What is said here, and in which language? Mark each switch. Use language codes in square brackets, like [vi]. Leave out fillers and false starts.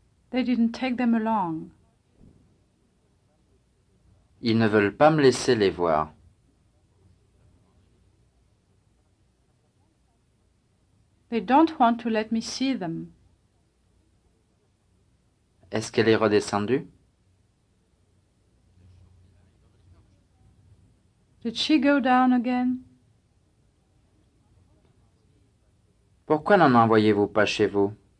[en] They didn't take them along. [fr] Ils ne veulent pas me laisser les voir. [en] They don't want to let me see them. [fr] Est-ce qu'elle est redescendue? [en] Did she go down again? [fr] Pourquoi n'en envoyez-vous pas chez vous?